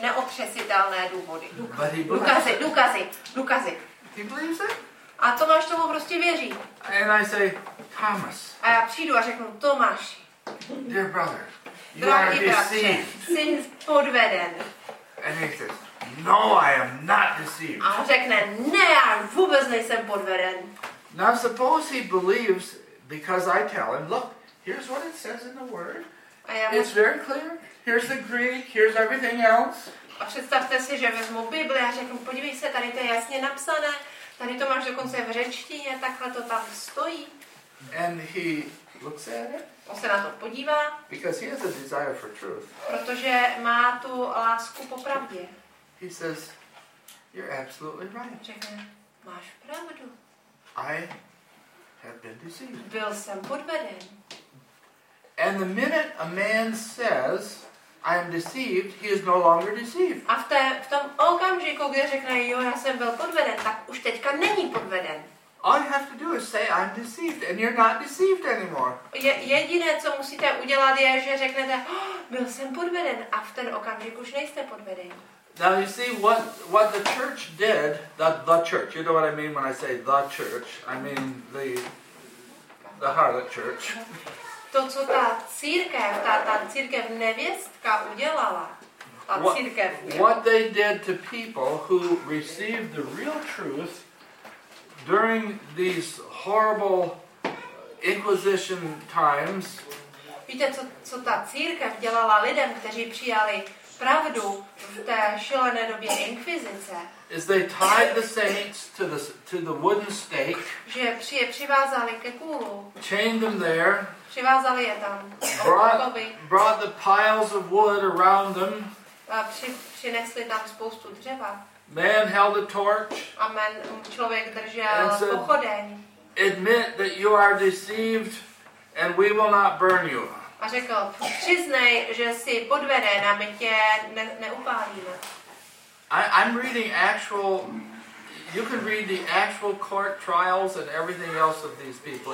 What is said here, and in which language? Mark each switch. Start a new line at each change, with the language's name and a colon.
Czech: Neotřesitelné důvody. Důkazy. A Tomáš tomu prostě věří.
English: And I say, Thomas.
Czech: A já přijdu a řeknu, Tomáš.
English: Dear brother, you
Czech: drahý
English: are deceived.
Czech: Jsi podveden.
English: And he says, no, I am not deceived.
Czech: A řekne, ne, já vůbec nejsem podveden.
English: Now suppose he believes, because I tell him, look, here's what it says in the word. It's very clear. Here's the Greek, here's everything else.
Czech: A představte si, že vezmu Bibli a řeknu, podívej se, tady to je jasně napsané, tady to máš dokonce v řečtině, takhle to tam stojí.
English: And he looks at it.
Czech: On se na to podívá.
English: Because he has a desire for truth.
Czech: Protože má tu lásku po pravdě.
English: He says, you're absolutely right.
Czech: Řekne, máš pravdu.
English: I have been deceived.
Czech: Byl jsem podveden.
English: And the minute a man says, I am deceived, he is no longer deceived.
Czech: A v tom okamžiku, kdy řekne, jo, já jsem byl podveden, tak už teďka není podveden.
English: All you have to do is say, I'm deceived, and you're not deceived anymore.
Czech: Jediné, co musíte udělat, je, že řeknete, oh, byl jsem podveden, a v ten okamžik už nejste podveden.
English: Now you see, what the church did, the church, you know what I mean when I say the church, I mean the harlot church.
Czech: To, co ta církev, ta církev nevěstka udělala, ta církev.
English: What they did to people who received the real truth during these horrible inquisition times.
Czech: Víte, co ta církev dělala lidem, kteří přijali pravdu v té šílené době inkvizice?
English: Is they tied the saints to the wooden stake?
Czech: Že je přivázali ke kůlu.
English: Chained them there.
Czech: Přivázali je tam.
English: Brought the piles of wood around them.
Czech: A přinesli tam spoustu dřeva.
English: Man held a torch.
Czech: A člověk držel pochodeň.
English: Admit that you are deceived, and we will not burn you.
Czech: A řekl, přiznej, že jsi podveden, a my tě neupálíme.
English: I'm reading actual. You can read the actual court trials and everything else of these people.